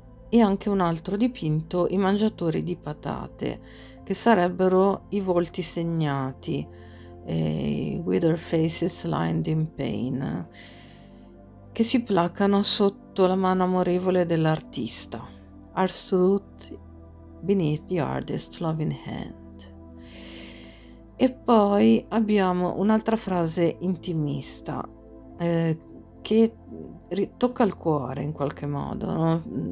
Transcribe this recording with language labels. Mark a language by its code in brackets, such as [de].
[it] E anche un altro dipinto, I mangiatori di patate, che sarebbero i volti segnati, i [en] Wither Faces Lined in Pain, [it] che che si placano sotto la mano amorevole dell'artista. [en] Are soothed beneath the artist's loving hand. [it] E poi abbiamo un'altra frase intimista che tocca il cuore in qualche modo, no?